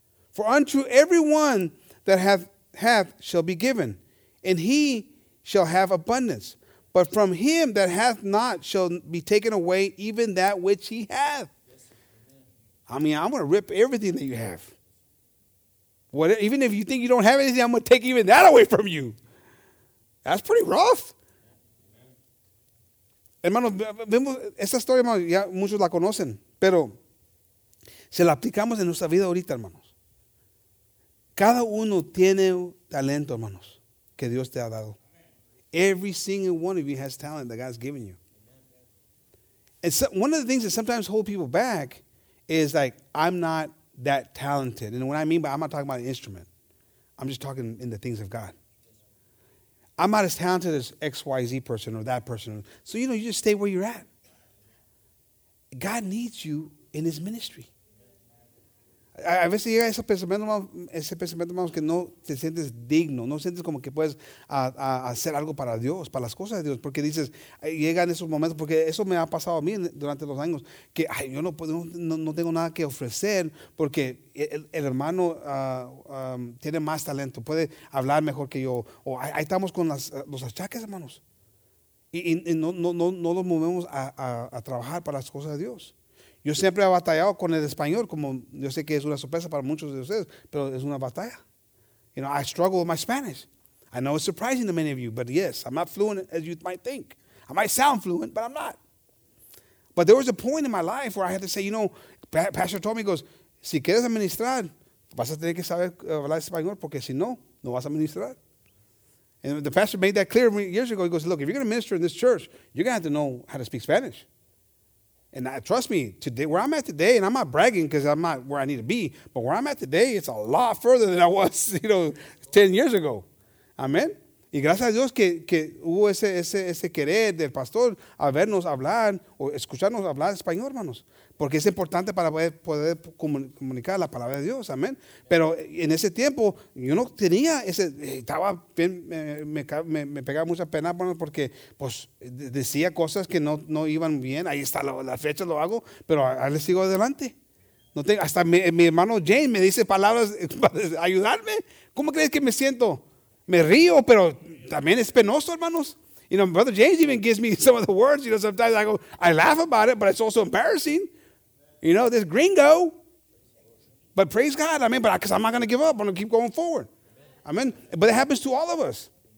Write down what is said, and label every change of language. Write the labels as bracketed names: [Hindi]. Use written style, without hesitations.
[English] For unto every one that hath shall be given, and he shall have abundance. But from him that hath not shall be taken away even that which he hath. I mean, I'm going to rip everything that you have. What, even if you think you don't have anything, I'm going to take even that away from you. That's pretty rough. [Spanish] Hermanos, vemos esta historia, ya muchos la conocen, pero se la aplicamos en nuestra vida ahorita, hermanos. Cada uno tiene talento, hermanos, que Dios te ha dado. [English] Every single one of you has talent that God's given you. And so, one of the things that sometimes hold people back is like, I'm not that talented. And what I mean by, I'm not talking about an instrument. I'm just talking in the things of God. I'm not as talented as XYZ person or that person. So, you know, you just stay where you're at. God needs you in his ministry. [Spanish] A veces llega ese pensamiento, hermanos, que no te sientes digno, no sientes como que puedes hacer algo para Dios, para las cosas de Dios, porque dices, llegan esos momentos, porque eso me ha pasado a mí durante los años, que ay, yo no tengo nada que ofrecer, porque el hermano tiene más talento, puede hablar mejor que yo, o ahí estamos con los achaques, hermanos, y no los movemos a trabajar para las cosas de Dios. Yo siempre he batallado con el español, como yo sé que es una sorpresa para muchos de ustedes, pero es una batalla. [English] You know, I struggle with my Spanish. I know it's surprising to many of you, but yes, I'm not fluent as you might think. I might sound fluent, but I'm not. But there was a point in my life where I had to say, you know, Pastor told me, he goes, [Spanish] si quieres administrar, vas a tener que saber hablar español, porque si no, no vas a administrar. [English] And the pastor made that clear years ago. He goes, look, if you're going to minister in this church, you're going to have to know how to speak Spanish. And trust me, today where I'm at today, and I'm not bragging because I'm not where I need to be, but where I'm at today, it's a lot further than I was, you know, 10 years ago. Amen. [Spanish] Y gracias a Dios que hubo ese querer del pastor a vernos hablar o escucharnos hablar español, hermanos. Porque es importante para poder comunicar la palabra de Dios. Amén. Pero en ese tiempo, yo no tenía ese. Estaba bien. Me pegaba mucha pena, bueno, porque pues, decía cosas que no iban bien. Ahí está la fecha, lo hago. Pero ahí le sigo adelante. No tengo, hasta mi hermano James me dice palabras para ayudarme. ¿Cómo crees que me siento? Me río, pero también es penoso, hermanos. [English] You know, Brother James even gives me some of the words. You know, sometimes I go, I laugh about it, but it's also embarrassing. You know, this gringo. But praise God. I mean, but because I'm not going to give up. I'm going to keep going forward. Amen. I mean, but it happens to all of us.